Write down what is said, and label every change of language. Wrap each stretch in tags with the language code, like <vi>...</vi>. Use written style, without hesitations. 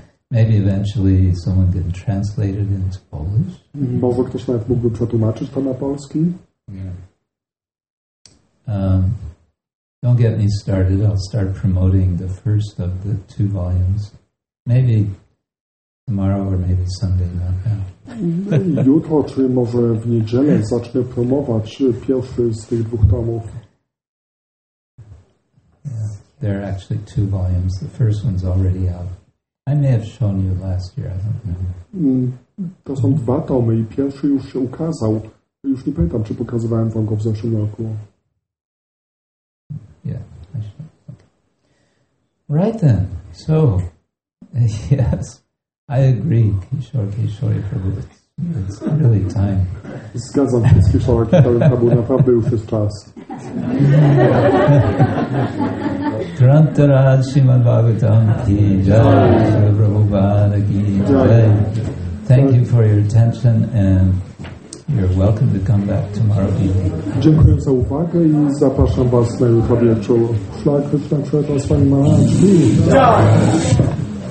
<en>Maybe eventually someone can translate it into Polish.</en> <pl>Może ktoś nawet mógłby przetłumaczyć to na polski.</pl> <en>Don't get me started. I'll start promoting the first of the two volumes. Maybe tomorrow or maybe Sunday, not now.</en> <pl>Jutro, czy może w niedzielę zacznę promować pierwszy z tych dwóch tomów.</pl> <en>There are actually two volumes. The first one's already out. I may have shown you last year, I don't remember.</en> <pl>To są dwa tomy i pierwszy już się ukazał. Już nie pamiętam, czy pokazywałem wam go w zeszłym roku.</pl> <en>Yeah, I should. Okay. Right then. So, yes. I agree, Kishore Kishore Prabhu. It's really time.</en> <pl>Zgadzam się z Kishore Kishore Prabhu. Naprawdę już jest czas.</pl> <hi>Trantaraj Srimad Bhagavatam Ki Jai Shri Prabhupada Ki Jai.</hi> <en>Thank you for your attention and you're welcome to come back tomorrow evening.</en> <pl>Dziękuję za uwagę i zapraszam was na jutro wieczór.</pl> <hi>Szlak Krishna Kshetra Swami Maharaj Ki Jai.</hi>